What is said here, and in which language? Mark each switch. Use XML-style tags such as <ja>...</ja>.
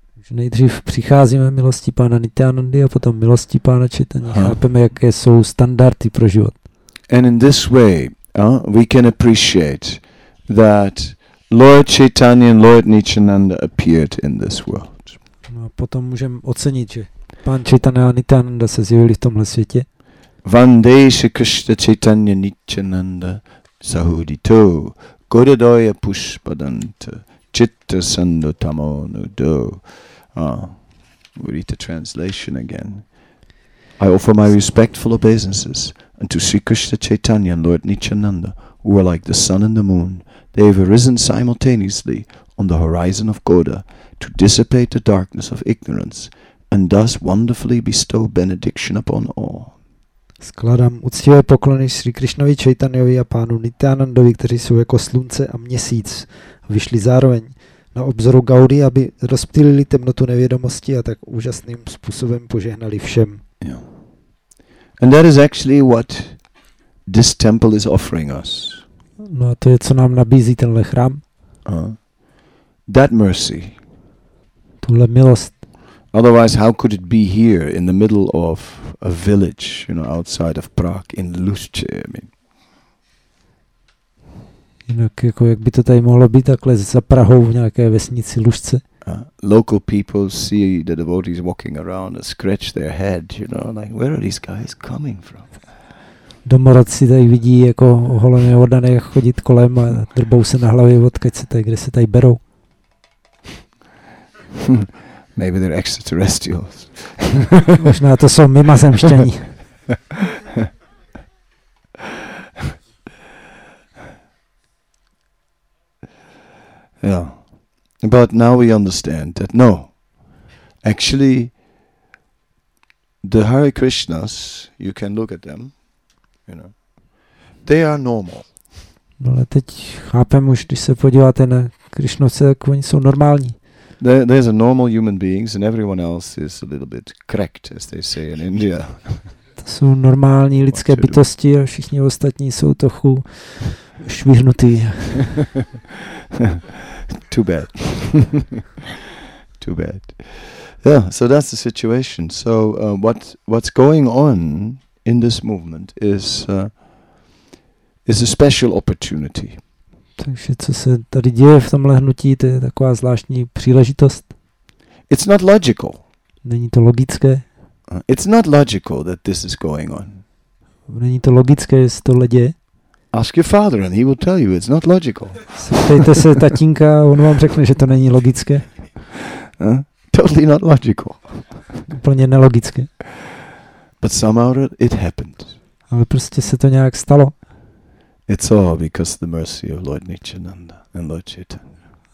<cs>Nejdřív přicházíme milosti pána Nityanandy a potom milosti pána Chaitanya. Chápeme, jaké jsou standardy pro život.</cs> <en>And in this way, we can appreciate that Lord Chaitanya and Lord Nityananda appeared in this world.</en> <cs>No, potom můžeme ocenit, že pán Chaitanya a Nityananda se zjevili v tomhle světě.</cs> <sa>Vandeśa Krishna Chaitanya Nityananda Sahudito Gurudaya Pushpadanta Chitta Sandotamo Nudo.</sa> <en>We read the translation again. I offer my respectful obeisances unto Sri Krishna Chaitanya and Lord Nityananda, who are like the sun and the moon. They have arisen simultaneously on the horizon of Goda to dissipate the darkness of ignorance and thus wonderfully bestow benediction upon all.</en> <cs>Skladám úctivé poklony Sri Krishnovi Chaitanyovi a pánu Nityanandovi, kteří jsou jako slunce a měsíc, vyšli zároveň na obzoru Gaudy, aby rozptýlili temnotu nevědomosti a tak úžasným způsobem požehnali všem.</cs> <en>Yeah. And that is actually what this temple is offering us.</en> <cs>No a to je, co nám nabízí tenhle chrám.</cs> <en>That mercy.</en> <cs>Tuhle milost.</cs> <en>Otherwise, how could it be here in the middle of a village, you know, outside of Prague, in Lusche, I mean.</en> <cs>Jinak, jako, jak by to tady mohlo být takhle za Prahou v nějaké vesnici Lusce?</cs> <en>Local people see the devotees walking around and scratch their head, you know, like, where are these guys coming from?</en> <cs>Domorodci tady vidí jako oholené oddané chodit kolem a drbou se na hlavě, odkud se tady, kde se tady berou.</cs> <en>Maybe they're extraterrestrials.</en> <cs>Možná to jsou mimozemštění.</cs> <en>Yeah. But now we understand that no. Actually, the Hare Krishnas, you can look at them. They are normal.</en> <cs>No, ale teď chápem už, když se podíváte na Krišnovce, tak oni jsou normální.</cs> <en>There's a normal human beings and everyone else is a little bit cracked, as they say in India.</en> <cs>To jsou normální lidské bytosti a všichni ostatní jsou trochu švihnutý.</cs> <en>Too bad. Too bad. Yeah, so that's the situation. So what's going on in this movement is a special opportunity.</en> <cs>Takže co se tady děje v tomhle hnutí, to je taková zvláštní příležitost.</cs> <en>It's not logical.</en> <cs>Není to logické.</cs> <en>It's not logical that this is going on.</en> <cs>Není to logické, že se tohle děje.</cs> <en>Ask your father and he will tell you it's not logical.</en> <cs>Ptejte se tatínka, on vám řekne, že to není logické.</cs> <en>Totally not logical.</en> <cs>Úplně nelogické.</cs> <en>But somehow it happened.</en> <cs>Ale prostě se to nějak stalo.</cs> <en>It's all because of the mercy of Lord Nityananda and Lord Chaitanya.</en>